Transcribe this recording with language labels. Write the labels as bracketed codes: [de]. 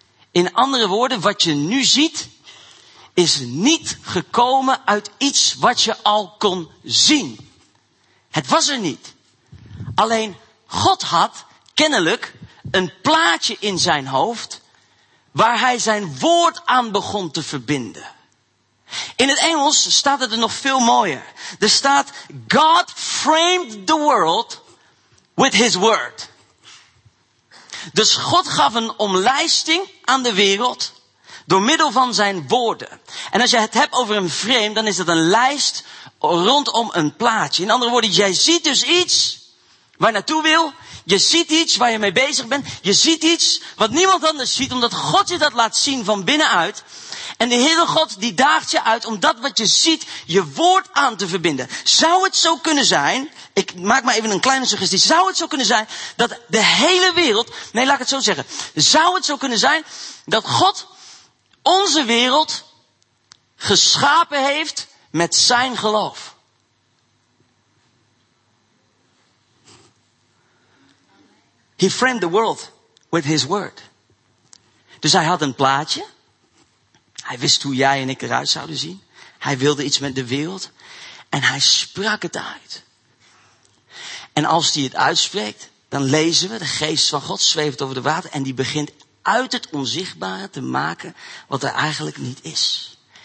[nl] In andere woorden, wat je nu ziet, is niet gekomen uit iets wat je al kon zien. Het was er niet. Alleen God had kennelijk een plaatje in zijn hoofd waar hij zijn woord aan begon te verbinden. In het Engels staat het er nog veel mooier. Er staat, [en] God framed the world with his word. [nl] Dus God gaf een omlijsting aan de wereld door middel van zijn woorden. En als je het hebt over een frame, dan is dat een lijst rondom een plaatje. In andere woorden, jij ziet dus iets waar je naartoe wil. Je ziet iets waar je mee bezig bent. Je ziet iets wat niemand anders ziet, omdat God je dat laat zien van binnenuit. En de Heere God die daagt je uit om dat wat je ziet, je woord aan te verbinden. Zou het zo kunnen zijn, ik maak maar even een kleine suggestie, zou het zo kunnen zijn dat de hele wereld, nee laat ik het zo zeggen, zou het zo kunnen zijn dat God onze wereld geschapen heeft met zijn geloof. [en] He framed the world with his word. [nl] Dus hij had een plaatje. Hij wist hoe jij en ik eruit zouden zien. Hij wilde iets met de wereld. En hij sprak het uit. En als hij het uitspreekt, dan lezen we, de geest van God zweeft over de water en die begint uit het onzichtbare te maken wat er eigenlijk niet is.